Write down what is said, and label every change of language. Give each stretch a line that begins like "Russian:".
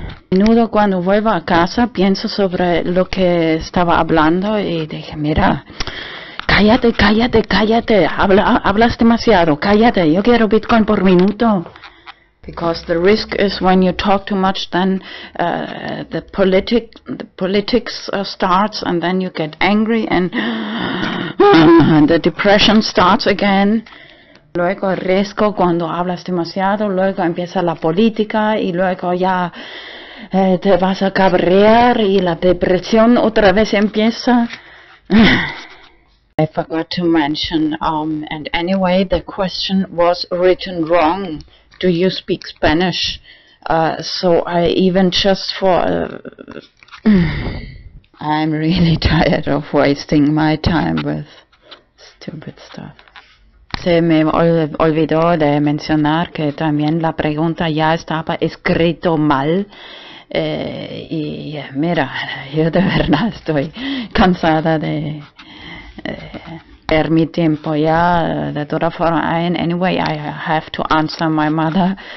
Spanish: Menudo cuando vuelvo a casa pienso sobre lo que estaba hablando y dije, mira, cállate, cállate, cállate, hablas demasiado, cállate, yo quiero Bitcoin por minuto.
English: Because the risk is when you talk too much, then the politics starts, and then you get angry, and and the depression starts again.
Spanish: Luego el riesgo cuando hablas demasiado, luego empieza la política, y luego ya te vas a cabrear, y la depresión otra vez empieza.
English: I forgot to mention, and anyway, the question was written wrong. Do you speak Spanish? So I even just for... I'm really tired of wasting my time with stupid stuff.
Spanish: Se me olvidó de mencionar que también la pregunta ya estaba escrito mal. Y mira, yo de verdad estoy cansada de... mi tiempo ya, de toda forma,
English: anyway, I have to answer my mother.